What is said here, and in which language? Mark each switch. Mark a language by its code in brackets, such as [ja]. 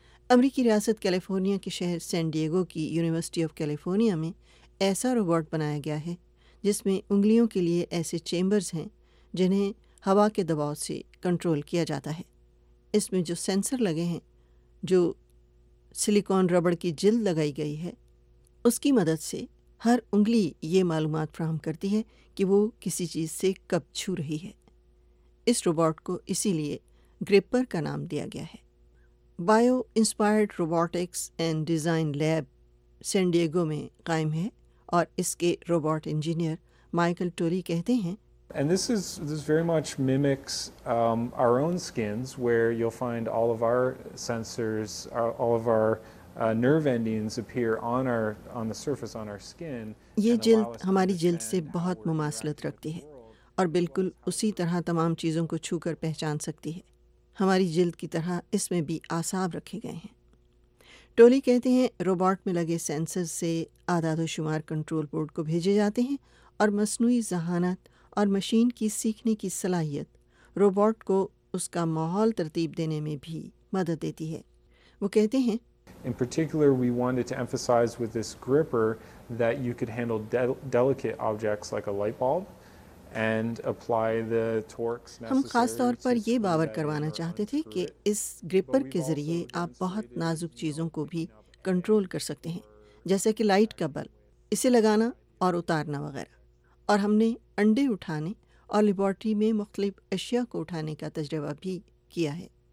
[ur] امریکی ریاست کیلیفورنیا کے شہر سین ڈیگو کی یونیورسٹی آف کیلیفورنیا میں ایسا روبوٹ بنایا گیا ہے جس میں انگلیوں کے لیے ایسے چیمبرز ہیں جنہیں ہوا کے دباؤ سے کنٹرول کیا جاتا ہے۔ اس میں جو سینسر لگے ہیں، جو سلیکون ربڑ کی جلد لگائی گئی ہے، اس کی مدد سے ہر انگلی یہ معلومات فراہم کرتی ہے کہ وہ کسی چیز سے کب چھو رہی ہے۔ اس روبوٹ کو اسی لیے گرپر کا نام دیا گیا ہے۔ Bio inspired robotics and design lab سین ڈیگو میں قائم ہے اور اس کے روبوٹ انجینئر مائیکل ٹوری کہتے ہیں، [en] And this very much mimics our own skins, where you'll find all of our sensors, all of our nerve endings appear on the surface on our skin. [ur] یہ جلد ہماری جلد سے بہت مماثلت رکھتی ہے اور بالکل اسی طرح تمام چیزوں کو چھو کر پہچان سکتی ہے۔ ہماری جلد کی طرح اس میں بھی اعصاب رکھے گئے ہیں۔ ٹولی کہتے ہیں، روبوٹ میں لگے سینسر سے اعداد و شمار کنٹرول بورڈ کو بھیجے جاتے ہیں اور مصنوعی ذہانت اور مشین کی سیکھنے کی صلاحیت روبوٹ کو اس کا ماحول ترتیب دینے میں بھی مدد دیتی ہے۔ وہ کہتے ہیں، [en] In particular, we wanted to emphasize with this gripper that you could handle delicate objects like a light bulb and apply the torques necessary. [ur] ہم خاص طور پر یہ باور کروانا چاہتے تھے کہ اس گرپر کے ذریعے آپ بہت نازک چیزوں کو بھی کنٹرول کر سکتے ہیں، جیسے کہ لائٹ کا بلب، اسے لگانا اور اتارنا وغیرہ۔ اور ہم نے انڈے اٹھانے اور لیبورٹری میں مختلف اشیاء کو اٹھانے کا تجربہ بھی کیا ہے۔